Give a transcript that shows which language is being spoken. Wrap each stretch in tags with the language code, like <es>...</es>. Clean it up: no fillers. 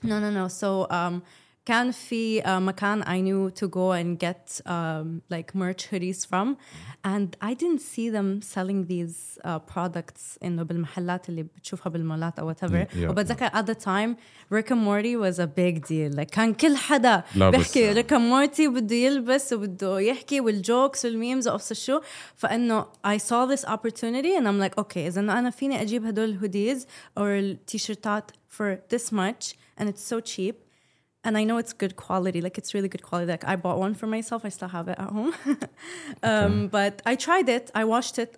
<en>No. So</en> <ar>كان في مكان</ar> <en>I knew to go and get like merch hoodies from, and I didn't see them selling these products in the</en> <ar>بالمحلات اللي بتشوفها بالمولات أو</ar> <en>whatever.</en> <ar>وبتذكر</ar> <en>at the time Rick and Morty was a big deal.</en> <ar>Like كان كل حدا بيحكي Rick and Morty بده يلبس وبده يحكي والجوكس والميمز أو في الشو. فإنه</ar> <en>I saw this opportunity and I'm like okay,</en> <ar>إذا أنا فيني أجيب هدول الهوديز أو التيشيرتات</ar> <en>for this much and it's so cheap. And I know it's good quality. Like, it's really good quality. Like, I bought one for myself. I still have it at home. But I tried it. I washed it.</en>